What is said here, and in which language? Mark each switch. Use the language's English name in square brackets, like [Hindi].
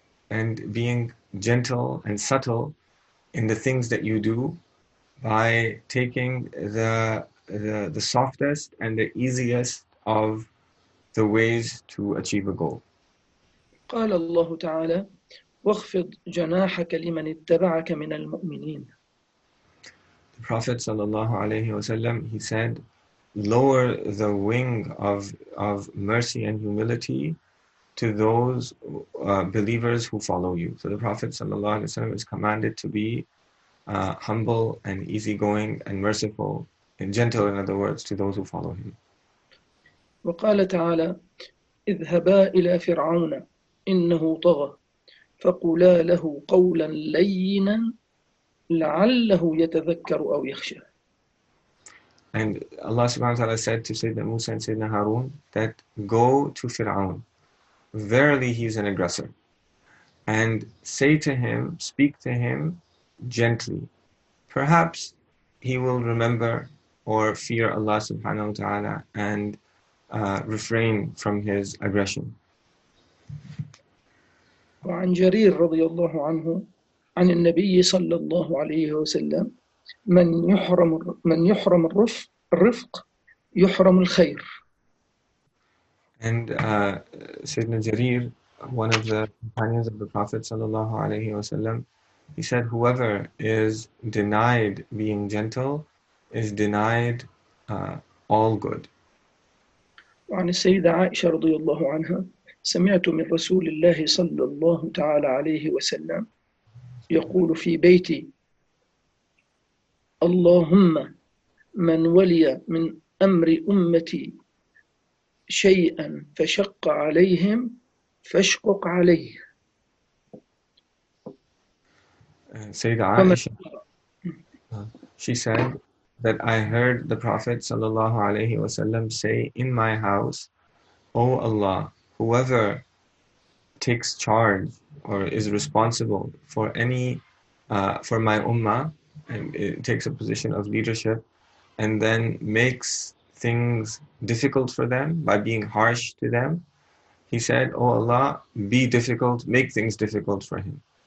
[English] And being gentle and subtle in the things that you do by taking the the softest and the easiest of the ways to achieve a goal. [Arabic] قال الله تعالى واخفض جناحك لمن اتبعك من المؤمنين. [English] The Prophet [Arabic] صلى الله عليه وسلم, [English] he said, lower the wing of mercy and humility to those believers who follow you. So the Prophet [Arabic] صلى الله عليه وسلم [English] is commanded to be humble and easygoing and merciful and gentle, in other words, to those who follow him. [Arabic] وقال تعالى اذهبا إلى فرعون إنه طغى فقولا له قولا لينا لعله يتذكر أو يخشى. [English] And Allah subhanahu wa ta'ala said to Sayyidina Musa and Sayyidina Harun that go to Fir'aun. Verily he is an aggressor. And say to him, speak to him gently. Perhaps he will remember or fear Allah subhanahu wa ta'ala and refrain from his aggression. [Arabic] وعن جرير رضي الله عنه عن النبي صلى الله عليه وسلم من يحرم الرفق يحرم الخير. [English] And Sayyidina Jarir, one of the companions of the Prophet [Arabic] صلى الله عليه وسلم, [English] he said, whoever is denied being gentle is denied all good. [Arabic] وعن السيدة عائشة رضي الله عنها سمعت من رسول الله صلى الله تعالى عليه وسلم يقول في بيتي اللهم من ولي من أمر أمتي شيئا فشق عليهم فاشقق عليه. [English] سيدة عائشة, she said that I heard the Prophet [Arabic] صلى الله عليه وسلم [English] say in my house, O Allah, whoever takes charge or is responsible for any for my ummah and it takes a position of leadership and then makes things difficult for them by being harsh to them, he said, O Allah, be difficult, make things difficult for him.